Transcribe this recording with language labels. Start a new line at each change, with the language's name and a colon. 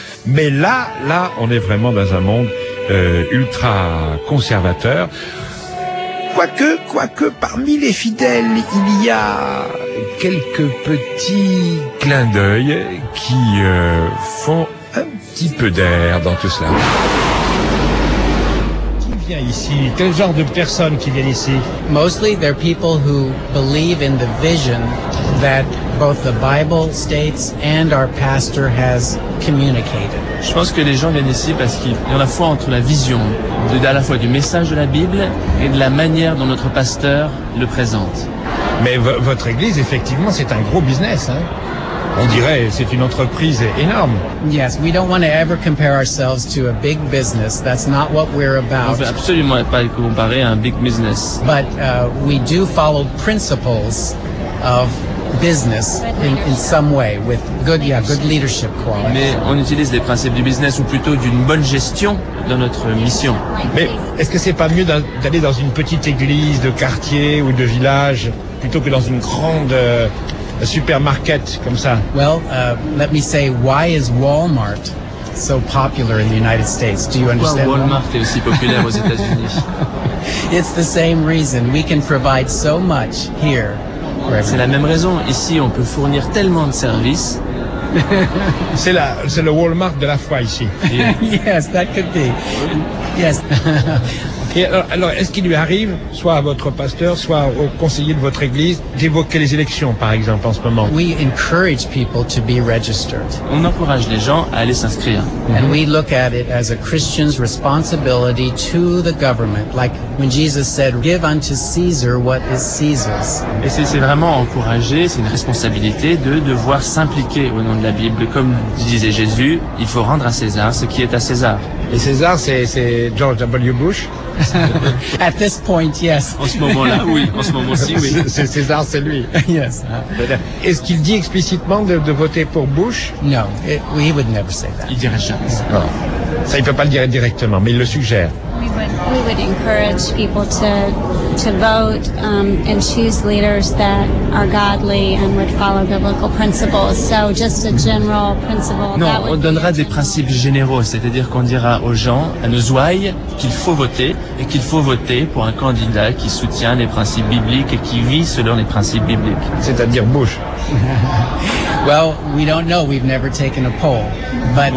French: Mais là, on est vraiment dans un monde ultra conservateur. Quoique, parmi les fidèles, il y a quelques petits clins d'œil qui font un petit peu d'air dans tout cela. Qui vient ici? Quel genre de personnes qui viennent ici?
English: Mostly, they're people who believe in the vision that both the Bible states and our pastor has communicated.
French: Je pense que les gens viennent ici parce qu'il y a la foi entre la vision à la fois du message de la Bible et de la manière dont notre pasteur le présente. Mais votre église, effectivement, c'est un gros business, hein? On dirait c'est une entreprise énorme.
English: Yes, we don't want to ever compare ourselves to a big business. That's not what we're about.
French: On veut absolument pas comparer à un big business.
English: But we do follow principles of business in some way with good leadership quality.
French: Mais on utilise les principes du business ou plutôt d'une bonne gestion dans notre mission. Mais est-ce que c'est pas mieux d'aller dans une petite église de quartier ou de village plutôt que dans une grande supermarket comme ça?
English: Well, let me say, why is Walmart so popular in the United States. Do you understand?
French: Well, Walmart est aussi populaire aux États-Unis.
English: It's the same reason. We can provide so much here.
French: C'est la même raison. Ici, on peut fournir tellement de services. C'est le Walmart de la foi ici.
English: Yes, that could be. Yes.
French: Et alors, est-ce qu'il lui arrive, soit à votre pasteur, soit au conseiller de votre église, d'évoquer les élections, par exemple, en ce moment?
English: We encourage people to be registered.
French: On encourage les gens à aller s'inscrire. Mm-hmm.
English: And we look at it as a Christian's responsibility to the government, like when Jesus said, "Give unto Caesar what is Caesar's."
French: Et c'est vraiment encourager, c'est une responsabilité de devoir s'impliquer au nom de la Bible, comme disait Jésus, il faut rendre à César ce qui est à César. Et César, c'est George W. Bush.
English: At this point, yes.
French: En ce moment-là, oui. En ce moment-ci, oui. C'est César, c'est lui.
English: Yes.
French: Est-ce qu'il dit explicitement de voter pour Bush?
English: No, he would never say that.
French: Il dirait jamais. Non. Ça, il peut pas le dire directement, mais il le suggère.
English: We would encourage people to vote and choose leaders that are godly and would follow biblical principles. So just a general principle.
French: Non, on donnera des principes généraux, c'est-à-dire qu'on dira aux gens, à nos ouailles, qu'il faut voter et qu'il faut voter pour un candidat qui soutient les principes bibliques et qui vit selon les principes bibliques. C'est-à-dire Bush.
English: Well, we don't know. We've never taken a poll. But